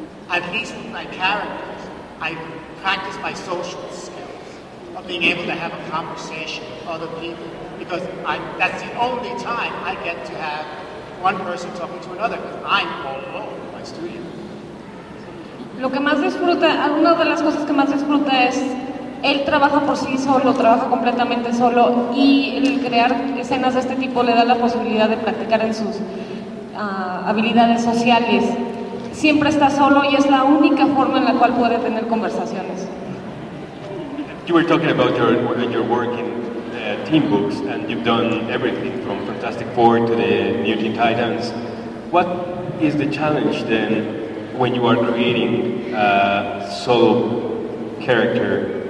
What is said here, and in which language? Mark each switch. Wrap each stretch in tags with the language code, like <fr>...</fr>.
<en>At least with my characters, I practice my social skills of being able to have a conversation with other people, because that's the only time I get to have one person talking to another, because I'm all alone in my studio.</en> <es>Lo que más disfruta, una de las cosas que más disfruta es él trabaja por sí solo, trabaja completamente solo, y el crear escenas de este tipo le da la posibilidad de practicar en sus habilidades sociales. Siempre está solo y es la única forma en la cual puede tener conversaciones.</es> <en>You were talking about your work in team books, and you've done everything from Fantastic Four to the New Teen Titans. What is the challenge then when you are creating a solo character?</en>